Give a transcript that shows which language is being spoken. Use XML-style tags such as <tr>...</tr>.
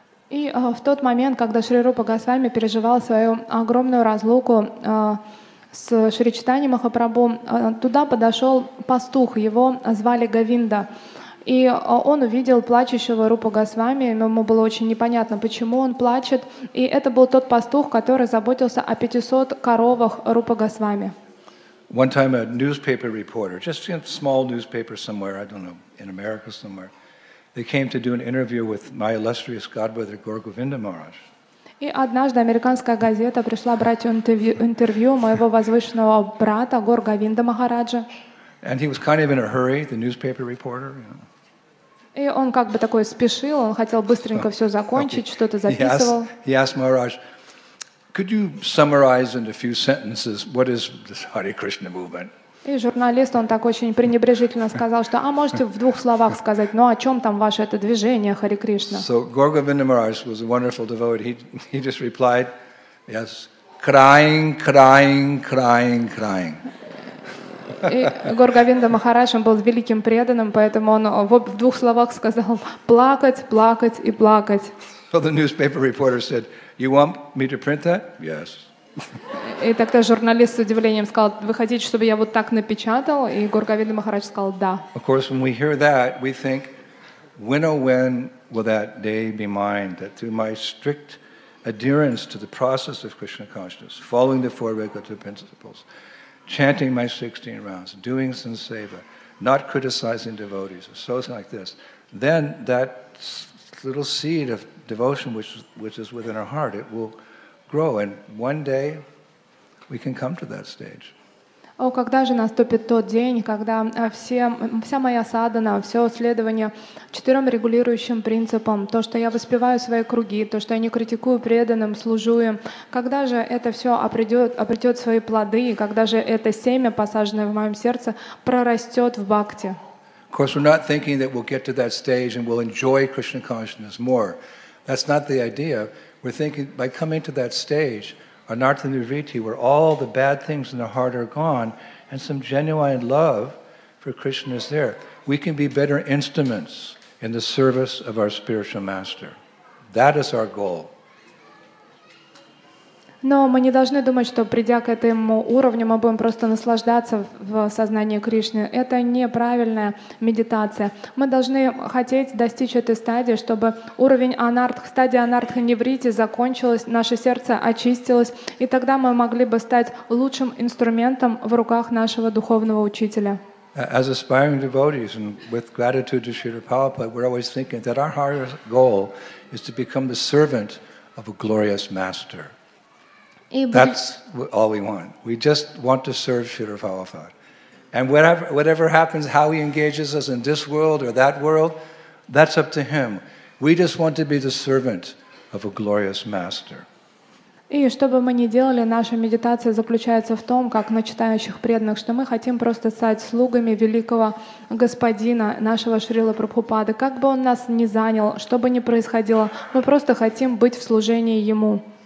<ru>И в тот момент, когда Шри Рупа Госвами переживал свою огромную разлуку с Шри Чайтанья Махапрабху, туда подошел пастух, его звали Говинда. И он увидел плачущего Рупа Госвами, ему было очень непонятно, почему он плачет. И это был тот пастух, который заботился о 500 коровах Рупа Госвами.</ru> <en>One time a newspaper reporter, just a small newspaper somewhere, I don't know, in America somewhere, they came to do an interview with my illustrious godbrother, Gaur Govinda Maharaj.</en> <ru>И однажды американская газета пришла брать интервью моего возвышенного брата, Гор Говинда Махараджа.</ru> <en>And he was kind of in a hurry, the newspaper reporter. You know.</en> <ru>И он как бы такой спешил, он хотел быстренько все закончить, что-то записывал.</ru> <en>He asked Maharaj, could you summarize in a few sentences what is this Hare Krishna movement?</en> <ru>И журналист, он так очень пренебрежительно сказал, что, а можете в двух словах сказать, ну о чем там ваше это движение Хари Кришна?</ru> <en>So Gaur Govinda Maharaj was a wonderful devotee. He just replied, yes, crying, crying, crying, crying.</en> <ru>И Гор Говинда Махарадж был великим преданным, поэтому он в двух словах сказал, плакать, плакать и плакать.</ru> <en>So the newspaper reporter said, you want me to print that? Yes.</en> <ru>И тогда журналист с удивлением сказал, вы хотите, чтобы я вот так напечатал? И Гор Говинда Махарадж сказал, да.</ru> <en>Of course, when we hear that, we think, when oh when will that day be mine, that through my strict adherence to the process of Krishna consciousness, following the four regulative principles, chanting my 16 rounds, doing sanseva, not criticizing devotees, or something like this, then that little seed of devotion which is within our heart, it will grow, and one day we can come to that stage.</en> <ru>О, когда же наступит тот день, когда вся моя садхана, все следование четырем регулирующим принципам, то, что я воспеваю свои круги, то, что я не критикую преданным, служу им, когда же это все обретет свои плоды, и когда же это семя, посаженное в моем сердце, прорастет в бхакти?</ru> <en>Of course, we're not thinking that we'll get to that stage and we'll enjoy Krishna consciousness more. That's not the idea. We're thinking by coming to that stage, Anartha Nirviti, where all the bad things in the heart are gone and some genuine love for Krishna is there. We can be better instruments in the service of our spiritual master. That is our goal.</en> <ru>Но мы не должны думать, что придя к этому уровню, мы будем просто наслаждаться в сознании Кришны. Это неправильная медитация. Мы должны хотеть достичь этой стадии, чтобы уровень анартх, стадия анартха неврити закончилась, наше сердце очистилось, и тогда мы могли бы стать лучшим инструментом в руках нашего духовного учителя.</ru> <en>As aspiring devotees and with gratitude to Srila Prabhupada, we're always thinking that our highest goal is to become the servant of a glorious master. That's all we want. We just want to serve Srila Prabhupada. And whatever happens, how he engages us in this world or that world, that's up to him. We just want to be the servant of a glorious master.</en> <ru>И что бы мы ни делали, наша медитация заключается в том, как начитающих преданных, что мы хотим просто стать слугами великого господина, нашего Шрилы Прабхупады. Как бы он нас ни занял, что бы ни происходило, мы просто хотим быть в служении ему.</ru>